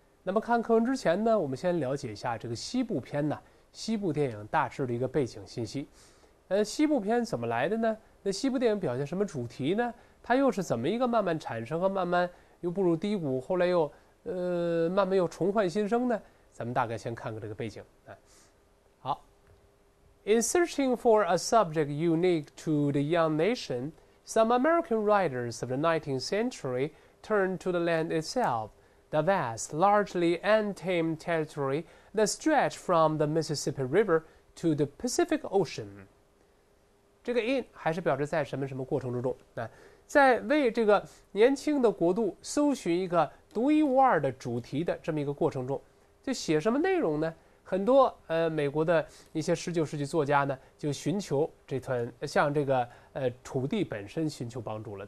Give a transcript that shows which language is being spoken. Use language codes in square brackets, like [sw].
[zh] 那么看科恩之前呢，我们先了解一下这个西部片呢，西部电影大致的一个背景信息。西部片怎么来的呢？那西部电影表现什么主题呢？它又是怎么一个慢慢产生和慢慢又步入低谷，后来又慢慢又重焕新生呢？咱们大概先看看这个背景啊。 [en] In searching for a subject unique to the young nation, some American writers of the 19th century turned to the land itself, the vast, largely untamed territory that stretched from the Mississippi River to the Pacific Ocean. [zh] 这个 in 还是表示在什么什么过程之中啊，在为这个年轻的国度搜寻一个独一无二的主题的这么一个过程中，就写什么内容呢？很多美国的一些19世纪作家呢，就寻求这团向这个土地本身寻求帮助了。